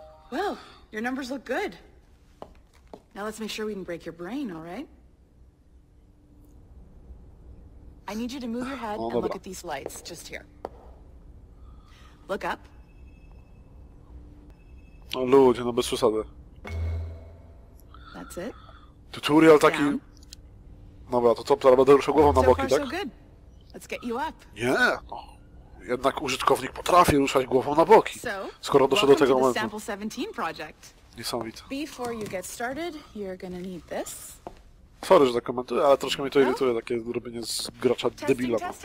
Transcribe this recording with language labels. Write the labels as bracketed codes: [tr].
[en] Well, your numbers look good. Now let's make sure we can break your brain, alright? I need you to move your head and look at these lights, just here. Look up. [pl] No ludzie, no bez przesady. [en] That's it. [pl] Tutorial taki... Dobra, to co, teraz będę ruszał głową na boki, tak? [en] So far, so good. Let's get you up. [pl] Nie, no. Jednak użytkownik potrafi ruszać głową na boki, skoro doszedł do tego momentu. [en] So, welcome to the Sample 17 project. [pl] Niesamowite. [en] Before you get started, you're gonna need this. [pl] Sorry, że tak komentuję, ale troszkę mi to irytuje, takie robienie z gracza debila.